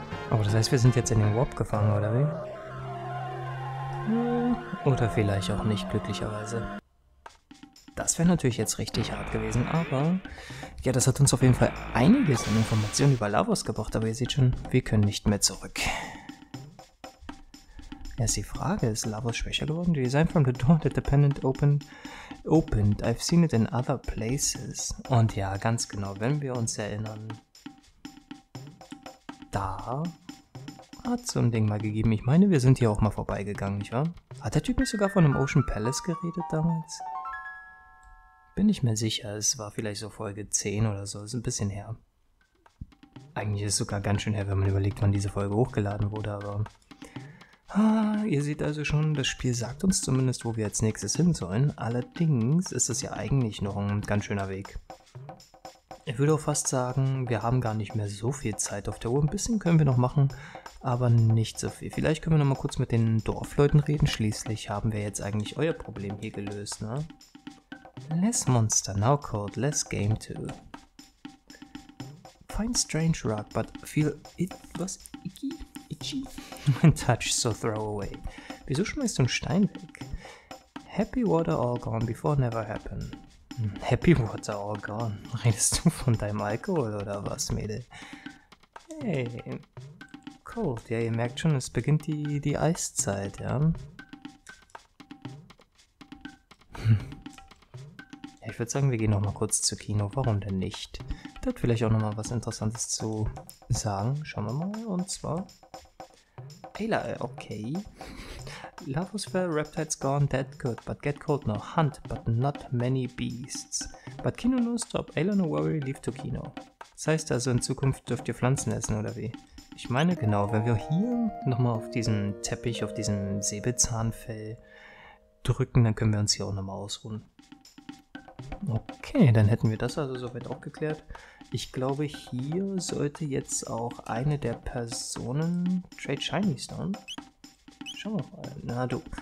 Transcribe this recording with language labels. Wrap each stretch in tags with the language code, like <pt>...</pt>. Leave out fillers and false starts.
<de>Aber das heißt, wir sind jetzt in den Warp gefangen, oder wie? Oder vielleicht auch nicht, glücklicherweise. Das wäre natürlich jetzt richtig hart gewesen, aber... Ja, das hat uns auf jeden Fall einiges an Informationen über Lavos gebracht, aber ihr seht schon, wir können nicht mehr zurück. Erst die Frage, ist Lavos schwächer geworden?</de> <en>The design from the door that the pendant opened. I've seen it in other places.</en> <de>Und ja, ganz genau, wenn wir uns erinnern... Da hat so ein Ding mal gegeben. Ich meine, wir sind hier auch mal vorbeigegangen, nicht wahr? Hat der Typ nicht sogar von einem Ocean Palace geredet damals? Bin ich mir sicher. Es war vielleicht so Folge 10 oder so. Ist ein bisschen her. Eigentlich ist es sogar ganz schön her, wenn man überlegt, wann diese Folge hochgeladen wurde, aber... Ah, ihr seht also schon, das Spiel sagt uns zumindest, wo wir als nächstes hin sollen. Allerdings ist es ja eigentlich noch ein ganz schöner Weg. Ich würde auch fast sagen, wir haben gar nicht mehr so viel Zeit auf der Uhr. Ein bisschen können wir noch machen, aber nicht so viel. Vielleicht können wir noch mal kurz mit den Dorfleuten reden. Schließlich haben wir jetzt eigentlich euer Problem hier gelöst, ne?</de> <en>Less Monster, now called Less Game 2. Find strange rock, but feel it was icky, itchy. My touch, so throw away.</en> <de>Wieso schmeißt du einen Stein weg?</de> <en>Happy water all gone before never happen. Happy Water,</en> <de>oh Gott. Redest du von deinem Alkohol oder was, Mädel?</de> <en>Hey, cold.</en> <de>Ja, ihr merkt schon, es beginnt die Eiszeit, ja? Ja, ich würde sagen, wir gehen noch mal kurz zu Kino. Warum denn nicht? Da hat vielleicht auch noch mal was Interessantes zu sagen. Schauen wir mal. Und zwar... Ayla, okay.</de> <en>Larvos fell reptiles gone dead good, but get cold now, hunt, but not many beasts. But Kino no stop, Ayla no worry, leave to Kino.</en> <de>Das heißt also, in Zukunft dürft ihr Pflanzen essen, oder wie? Ich meine genau, wenn wir hier nochmal auf diesen Teppich, auf diesen Säbelzahnfell drücken, dann können wir uns hier auch nochmal ausruhen. Okay, dann hätten wir das also soweit auch geklärt. Ich glaube, hier sollte jetzt auch eine der Personen Trade Shiny Stone. Schauen wir mal. Na du.</de>